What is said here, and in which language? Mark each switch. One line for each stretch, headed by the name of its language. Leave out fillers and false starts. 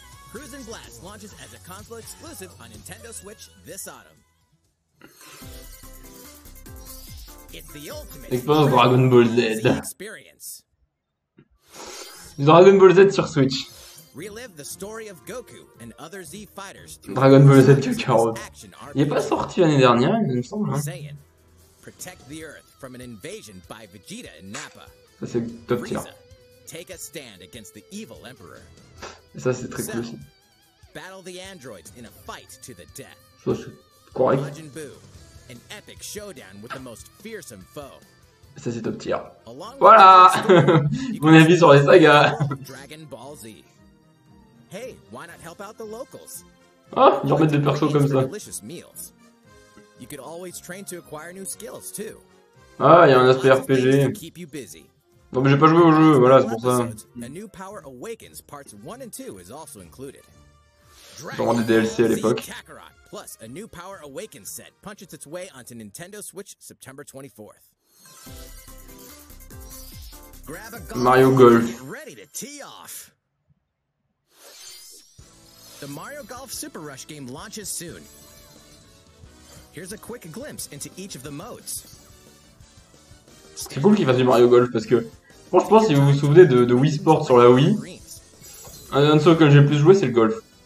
English: Cruisin' Blast launches as a console exclusive on Nintendo Switch this autumn. It's the ultimate experience. Dragon Ball Z.
French: Dragon Ball Z sur Switch.
English: Relive the story of Goku and other Z fighters. Dragon Ball Z Kakarot.
French: Il est pas sorti l'année dernière, il me semble, hein.
English: Protect the Earth from an invasion by Vegeta and Nappa.
French: Ça c'est top tier.
English: Take a stand against the evil emperor.
French: Ça c'est très cool.
English: Battle the androids in a fight to the death.
French: Ça c'est correct.
English: Majin Buu, an epic showdown with the most fearsome foe.
French: Ça c'est top tier. Voilà. Mon avis sur les sagas. Dragon Ball Z.
English: Hey, why not help out the locals?
French: Ah, ils remettent des persos comme ça.
English: Delicious meals. You could always train to acquire new skills too.
French: Ah, il y a un aspect RPG. Non, mais j'ai pas joué au jeu, voilà, c'est pour ça.
English: A new power awakens parts 1 and 2 is also included.
French: Genre des DLC à l'époque.
English: Plus a new power awakens set punches its way onto Nintendo Switch September 24th. Mario Golf. Ready to tee off. The Mario Golf Super Rush game launches soon. Here's a quick glimpse into each of the modes.
French: C'est cool qu'il fasse du Mario Golf parce que franchement, si vous vous souvenez de Wii Sports sur la Wii, un des seuls que j'ai le plus joué, c'est le golf.